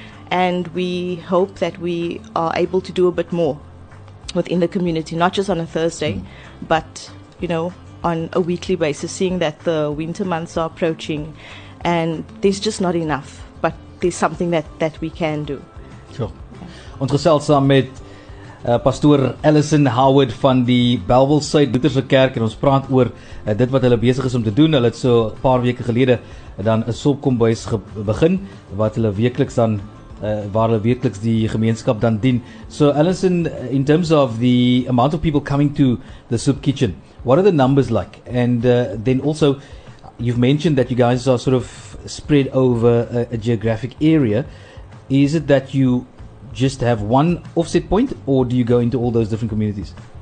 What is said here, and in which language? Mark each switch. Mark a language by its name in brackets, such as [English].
[English] And we hope that we are able to do a bit more within the community, not just on a Thursday, but, you know, on a weekly basis, seeing that the winter months are approaching and there's just not enough, but there's something that we can do. Sure. Yeah. [Afrikaans] Ons gesels saam met Pastoor Allison Howard van die Bellville, Suid, Lutherse Kerk en ons praat oor dit wat hulle besig is om te doen. Hulle het so 'n paar weke gelede dan 'n sopkombuis begin wat hulle weekliks dan waar hulle weekliks die gemeenskap dan dien. [English] So Allison, in terms of the amount of people coming to the soup kitchen, what are the numbers like? And then also, you've mentioned that you guys are sort of spread over a geographic area. Is it that you just have one offset point, or do you go into all those different communities?